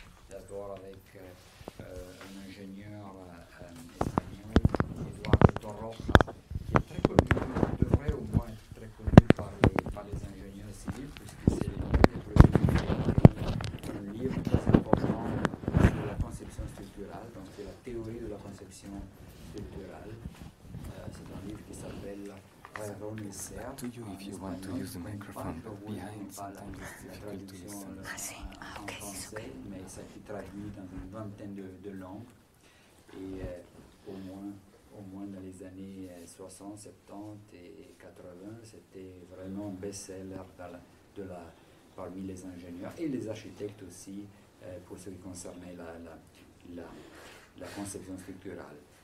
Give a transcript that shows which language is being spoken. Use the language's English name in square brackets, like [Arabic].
[French] D'abord avec un ingénieur espagnol, Eduardo Torroja, qui est très connu, devrait au moins être très connu par les ingénieurs civils, puisque c'est l'un des premiers qui a écrit un livre très important sur la conception structurale, donc c'est la théorie de la conception structurale. C'est un livre qui s'appelle [English] To you, if you want to use the microphone, but behind sometimes it's difficult to listen. I see. Okay, it's okay. [French] Mais ça qui traduit dans une vingtaine de langues et au moins dans les années 60, 70 et 80, c'était vraiment best-seller parmi les ingénieurs et les architectes aussi pour ce qui concernait la conception structurale.